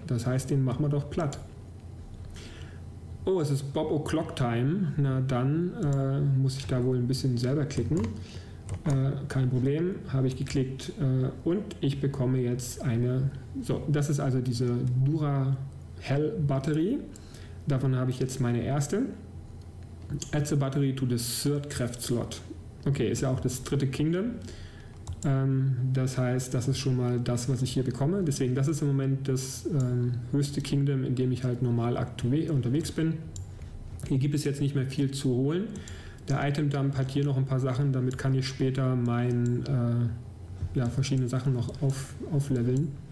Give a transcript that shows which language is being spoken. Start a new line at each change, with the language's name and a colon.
German: Das heißt, den machen wir doch platt. Oh, es ist
English: Bob O'Clock Time.
German: Na dann muss ich da wohl ein bisschen selber klicken. Kein Problem, habe ich geklickt. Und ich bekomme jetzt eine... So, das ist also diese Duracell Batterie. Davon habe ich jetzt meine erste.
English: Add the battery to the third craft slot.
German: Okay, ist ja auch das dritte Kingdom. Das heißt, das ist schon mal das, was ich hier bekomme. Deswegen, das ist im Moment das höchste Kingdom, in dem ich halt normal unterwegs bin. Hier gibt es jetzt nicht mehr viel zu holen. Der Item Dump hat hier noch ein paar Sachen, damit kann ich später mein verschiedene Sachen noch aufleveln.